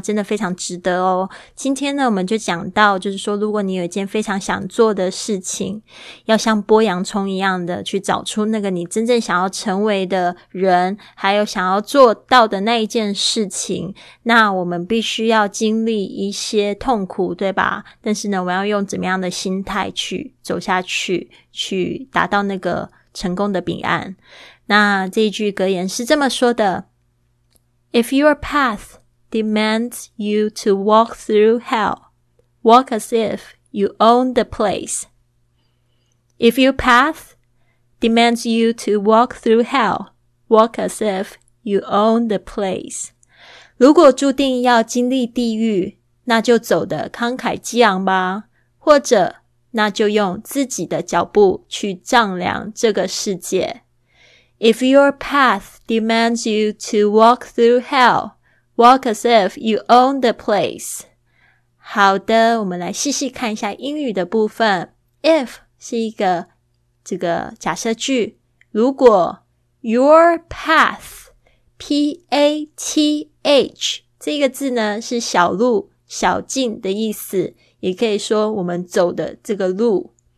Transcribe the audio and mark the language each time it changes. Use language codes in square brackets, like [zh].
[zh] 真的非常值得哦。今天呢我们就讲到，就是说如果你有一件非常想做的事情，要像剥洋葱一样的去找出那个你真正想要成为的人，还有想要做到的那一件事情，那我们必须要经历一些痛苦，对吧？但是呢我们要用怎么样的心态去走下去，去达到那个成功的彼岸。那这一句格言是这么说的， [en] If your path demands you to walk through hell, walk as if you own the place. If your path demands you to walk through hell, walk as if you own the place. [zh] 如果注定要经历地狱，那就走得慷慨激昂吧，或者那就用自己的脚步去丈量这个世界。 [en] If your path demands you to walk through hell, walk as if you own the place. [zh] 好的，我们来细细看一下英语的部分。 If 是一个这个假设句，如果 [en] your path, [zh] P-A-T-H, 这个字呢是小路、小径的意思，也可以说我们走的这个路。